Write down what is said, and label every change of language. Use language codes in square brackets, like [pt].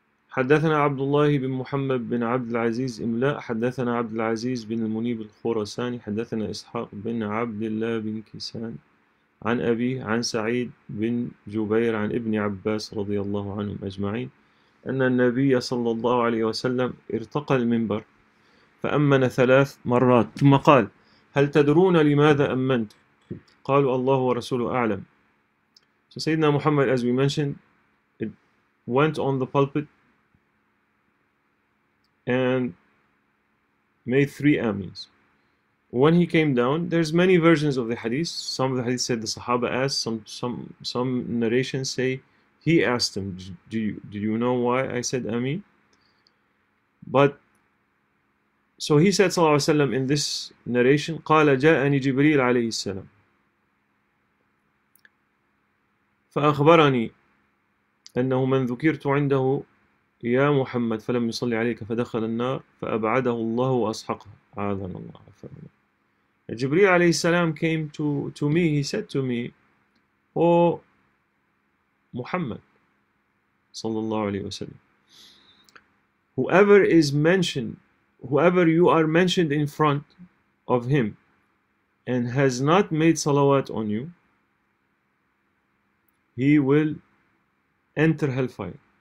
[ar] حدثنا عبد الله بن محمد بن عبد العزيز إملاء حدثنا عبد العزيز بن المنيب الخراساني حدثنا إسحاق بن عبد الله بن كيسان عن أبيه عن سعيد بن جبير عن ابن عباس رضي الله عنهم أجمعين أن النبي صلى الله عليه وسلم ارتقى المنبر فأمن ثلاث مرات ثم قال هل تدرون لماذا أمنت؟ قالوا الله ورسوله أعلم. [en] So سيدنا محمد, as we mentioned, it went on the pulpit and made three Ameens. When he came down, there's many versions of the hadith. Some of the hadith said the Sahaba asked, some narrations say he asked him, do you know why I said Ameen? But so he said, Sallallahu Alaihi Wasallam, in this narration, [ar] قَالَ جَاءَنِي جِبْرِيلَ عَلَيْهِ السَّلَامِ فَأَخْبَرَنِي أَنَّهُ مَنْ ذُكِرْتُ عِنْدَهُ يَا مُحَمَّدْ فَلَمْ يُصَلِّ عَلَيْكَ فَدَخَلَ النَّارِ فَأَبْعَدَهُ اللَّهُ وَأَسْحَقَهُ عَاذَنَ اللَّهُ فَأَمَنَ. [en] Jibreel alayhi salam came to me, he said to me, oh Muhammad sallallahu alayhi wa sallam, whoever is mentioned, whoever you are mentioned in front of him and has not made salawat on you, he will enter hellfire.